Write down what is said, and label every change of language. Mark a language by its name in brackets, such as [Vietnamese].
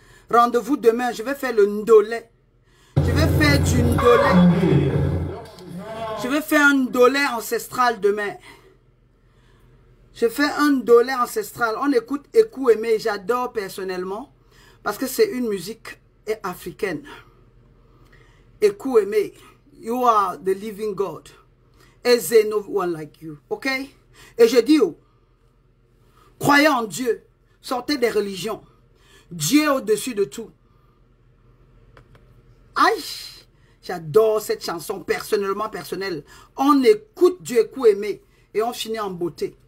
[French] Rendez-vous demain, je vais faire le ndolé. Je vais faire du ndolé. Je vais faire un ndolé ancestral demain. Je fais un ndolé ancestral. On écoute Ekou Aimé, j'adore personnellement. Parce que c'est une musique africaine. [English] Ekou Aimé, you are the living God. And there's no one like you, ok? [French] Et je dis, oh, croyez en Dieu, sortez des religions. Dieu au-dessus de tout. Aïe, j'adore cette chanson personnellement, personnelle. On écoute Dieu Ekou Aimé et on finit en beauté.